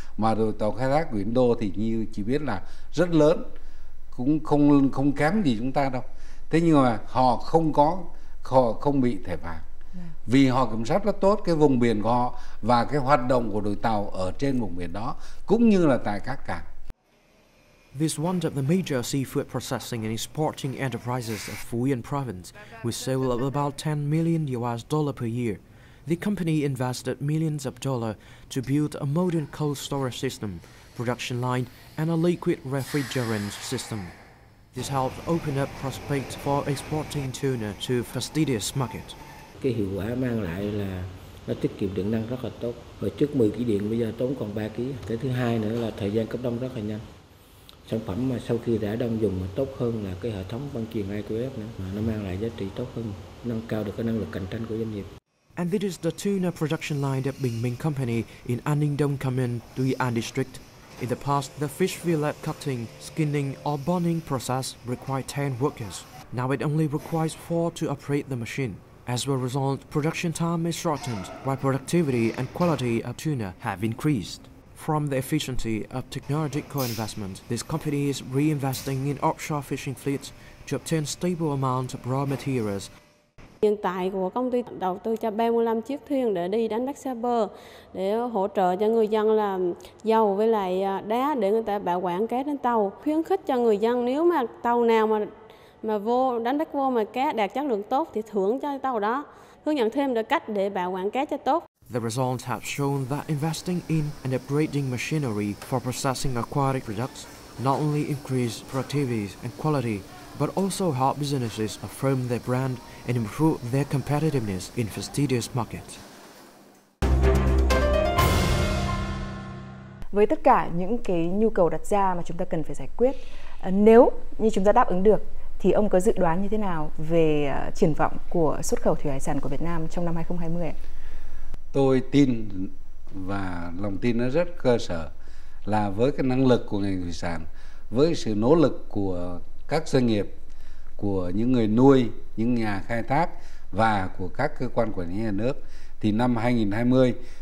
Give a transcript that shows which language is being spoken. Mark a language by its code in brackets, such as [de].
[vi] Mà đội tàu khai thác của Ấn Độ thì như chỉ biết là rất lớn, cũng không kém gì chúng ta đâu. Thế nhưng mà họ không bị thẻ vàng, vì họ kiểm soát rất tốt cái vùng biển của họ và cái hoạt động của đội tàu ở trên vùng biển đó, cũng như là tại các cảng. [en] This one of the major seafood processing and exporting enterprises of Phú Yên province, with sales of about $10 million per year. The company invested millions of dollars to build a modern cold storage system, production line, and a liquid refrigerant system. This helped open up prospects for exporting tuna to fastidious market. [vi] Cái hiệu quả mang lại là nó tiết kiệm điện năng rất là tốt. Hồi trước 10 kg điện, bây giờ tốn còn 3 kg. Cái thứ hai nữa là thời gian cấp đông rất là nhanh. Sản phẩm mà sau khi đã đông dùng tốt hơn là cái hệ thống băng truyền IQF nữa. Nó mang lại giá trị tốt hơn, nâng cao được cái năng lực cạnh tranh của doanh nghiệp. [en] And this is the tuna production line at Bình Minh Company in An Ninh Đông Commune, Tuy An District. In the past, the fish fillet cutting, skinning or boning process required 10 workers. Now it only requires 4 to operate the machine. As a result, production time is shortened, while productivity and quality of tuna have increased. From the efficiency of technological investment, this company is reinvesting in offshore fishing fleets to obtain stable amount of raw materials. [vi] Hiện tại của công ty đầu tư cho 35 chiếc thuyền để đi đánh bắt xa bờ, để hỗ trợ cho người dân là dầu với lại đá để người ta bảo quản cá trên tàu. Khuyến khích cho người dân nếu mà tàu nào mà vô đánh bắt vô mà cá đạt chất lượng tốt thì thưởng cho tàu đó, hướng dẫn thêm được cách để bảo quản cá cho tốt. [en] The results have shown that investing in and upgrading machinery for processing aquatic products not only increase productivity and quality, but also help businesses affirm their brand and improve their competitiveness in fastidious markets. [vi] Với tất cả những cái nhu cầu đặt ra mà chúng ta cần phải giải quyết, nếu như chúng ta đáp ứng được, thì ông có dự đoán như thế nào về triển vọng của xuất khẩu thủy hải sản của Việt Nam trong năm 2020? Tôi tin, và lòng tin nó rất cơ sở, là với cái năng lực của ngành thủy sản, với sự nỗ lực của các doanh nghiệp, của những người nuôi, những nhà khai thác và của các cơ quan quản lý nhà nước, thì năm 2020